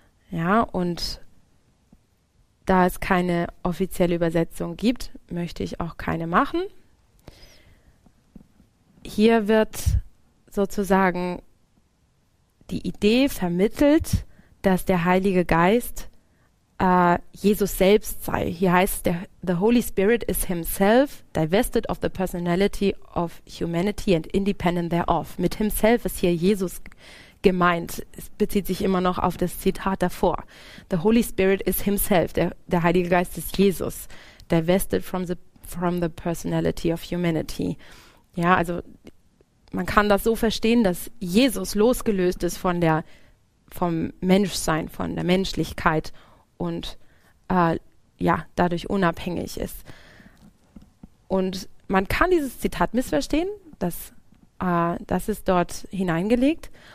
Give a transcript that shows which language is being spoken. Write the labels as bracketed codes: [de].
[de] Ja, und da es keine offizielle Übersetzung gibt, möchte ich auch keine machen. Hier wird sozusagen die Idee vermittelt, dass der Heilige Geist Jesus selbst sei. Hier heißt es, [en] the Holy Spirit is himself divested of the personality of humanity and independent thereof. [de] Mit himself ist hier Jesus gemeint. Es bezieht sich immer noch auf das Zitat davor. [en] The Holy Spirit is himself. [de] Der Heilige Geist ist Jesus. [en] Divested from the personality of humanity. [de] Ja, also man kann das so verstehen, dass Jesus losgelöst ist vom Menschsein, von der Menschlichkeit und dadurch unabhängig ist. Und man kann dieses Zitat missverstehen, das ist dort hineingelegt.